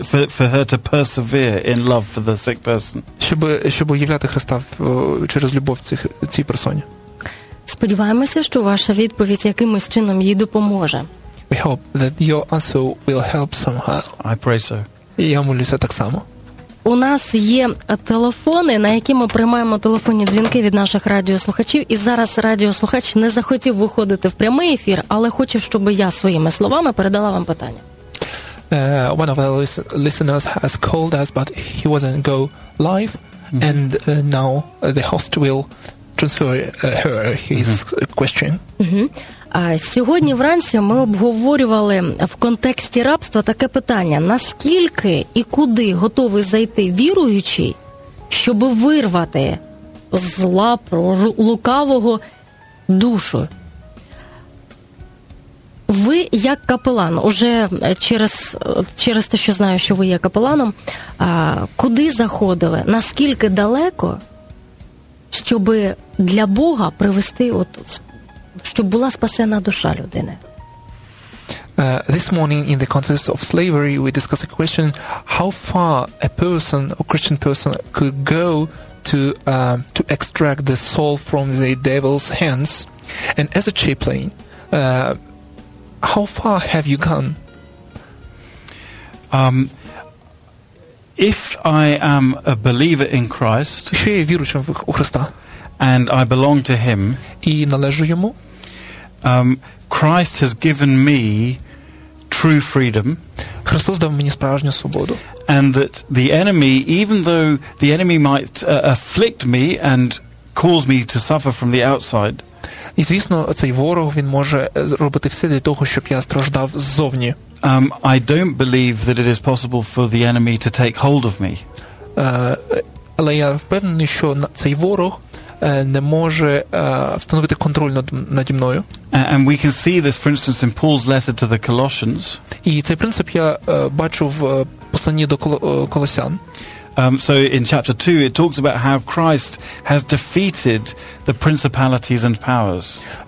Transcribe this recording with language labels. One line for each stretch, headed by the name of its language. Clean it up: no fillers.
English: For her to persevere in love for the sick person.
Ukrainian: Щоб являти Христа через любов цій персоні. Сподіваємося, що ваша відповідь якимось чином їй допоможе.
English: We hope that your answer will help somehow. I pray so.
Ukrainian: Я молюся так само. У нас є телефони, на які ми приймаємо телефонні дзвінки від наших радіослухачів. І зараз радіослухач не захотів виходити в прямий ефір, але хоче, щоб я своїми словами передала вам питання.
English: One of our listeners has called us, but he wasn't go live. Mm-hmm. And now the host will transfer her his mm-hmm. question. Mm-hmm.
Ukrainian: Сьогодні вранці ми обговорювали в контексті рабства таке питання: наскільки і куди готовий зайти віруючий, щоб вирвати з лап лукавого душу? Ви як капелан, уже через те, що знаю, що ви є капеланом, куди заходили, наскільки далеко, щоб для Бога привести от щоб була спасена душа людини.
English: This morning in the context of slavery we discussed a question: how far a person, a Christian person, could go to extract the soul from the devil's hands? And as a chaplain, how far have you gone? If I am a believer in Christ,
Ukrainian: ще є віруючим в Христа,
English: and I belong to him,
Ukrainian: і належу йому,
English: Christ has given me true freedom.
Ukrainian: Христос дав мені справжню свободу.
English: And that the enemy, even though the enemy might afflict me and cause me to suffer from the outside,
Ukrainian: і звісно, цей ворог, він може зробити все для того, щоб я страждав ззовні.
English: I don't believe that it is possible for the enemy to take hold of me.
Ukrainian: Але я впевнений, що цей ворог не може встановити контроль наді мною.
English: And we can see this, for instance, in Paul's letter to the Colossians.
Ukrainian: І цей принцип я бачу в посланні до Колосян.
English: So in chapter 2 it talks about how Christ has defeated the principalities and powers.